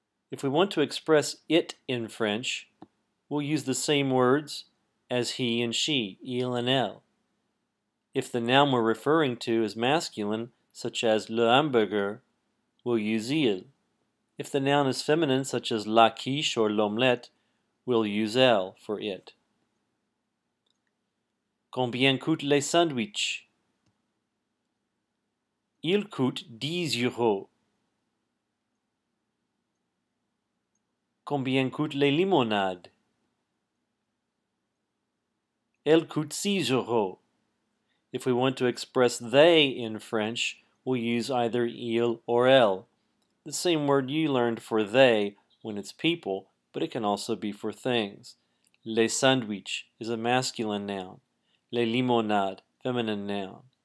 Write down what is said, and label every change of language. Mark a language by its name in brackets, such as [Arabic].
[English] If we want to express it in French, we'll use the same words as he and she, il and elle. If the noun we're referring to is masculine, such as le hamburger, we'll use il. If the noun is feminine, such as la quiche or l'omelette, we'll use elle for it. [French] Combien coûte les sandwichs? Il coûte 10 euros. Combien coûte les limonades? Elle coûte 6 euros. [English] If we want to express they in French, we'll use either il or elle, the same word you learned for they when it's people, but it can also be for things. Les sandwichs is a masculine noun. Les limonades, feminine noun.